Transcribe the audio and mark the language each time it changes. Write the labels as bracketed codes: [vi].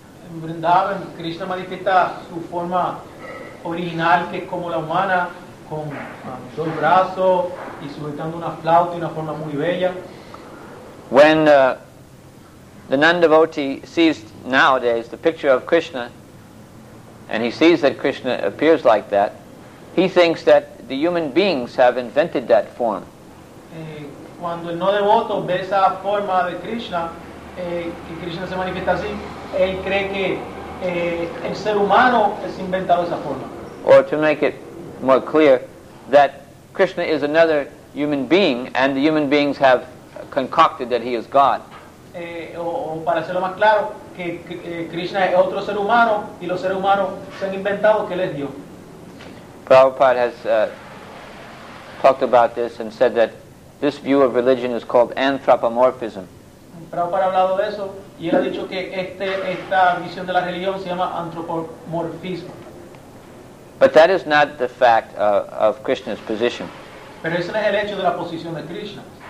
[es] En Vrindavan, Krishna manifiesta su forma original, que es como la humana, con dos brazos y sujetando una flauta y una forma muy bella. [en] When the non-devotee sees nowadays the picture of Krishna, and he sees that Krishna appears like that, he thinks that the human beings have invented that form. [es] Cuando el no-devoto ve esa forma de Krishna, que Krishna se manifiesta así, él cree que el ser humano es inventado esa forma. [en] Or to make it more clear, that Krishna is another human being, and the human beings have concocted that he is God. [es] Para hacerlo más claro, que Krishna es otro ser humano y los seres humanos se han inventado que él es Dios. [en] Prabhupada has talked about this and said that this view of religion is called anthropomorphism. [es] Prabhupada ha hablado de eso y él ha dicho que esta visión de la religión se llama antropomorfismo. [en] But that is not the fact of Krishna's position. [es] Pero ese no es el hecho de la posición de Krishna.